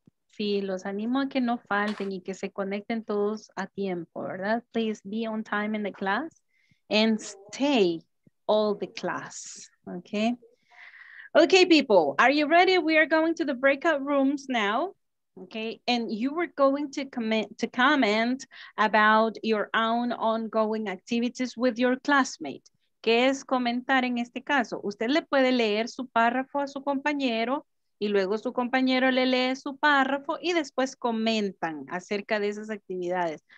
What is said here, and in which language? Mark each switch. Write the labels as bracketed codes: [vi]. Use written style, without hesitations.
[es] Sí, los animo a que no falten y que se conecten todos a tiempo, ¿verdad? [en] Please be on time in the class and stay all the class, okay? Okay, people, are you ready? We are going to the breakout rooms now. Okay, and you were going to comment about your own ongoing activities with your classmate. [es] ¿Qué es comentar en este caso? Usted le puede leer su párrafo a su compañero y luego su compañero le lee su párrafo y después comentan acerca de esas actividades.